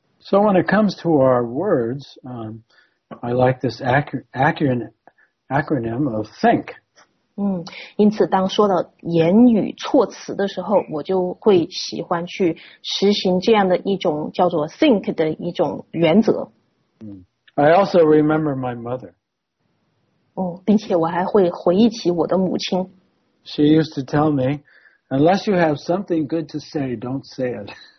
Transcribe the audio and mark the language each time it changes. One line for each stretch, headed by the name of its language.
English: So when it comes to our words, I like this acronym of think.
Chinese: 因此当说到言语措辞的时候，我就会喜欢去实行这样的一种叫做 think 的一种原则。
English: I also remember my mother.
Chinese: 并且我还会回忆起我的母亲。
English: She used to tell me, unless you have something good to say, don't say it.